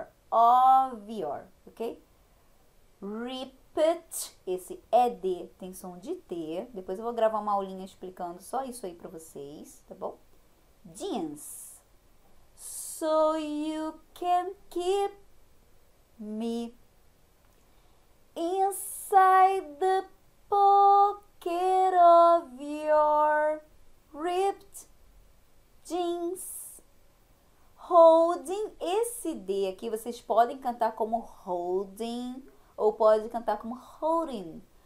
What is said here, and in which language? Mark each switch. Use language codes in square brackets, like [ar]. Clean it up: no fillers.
[en] Of your, ok? Repeat, [pt] esse é D, tem som de T. Depois eu vou gravar uma aulinha explicando só isso aí pra vocês, tá bom? [en] Jeans. So you can keep me inside the pocket of your ripped jeans. [pt] Holding, esse D aqui vocês podem cantar como holding ou pode cantar como holding.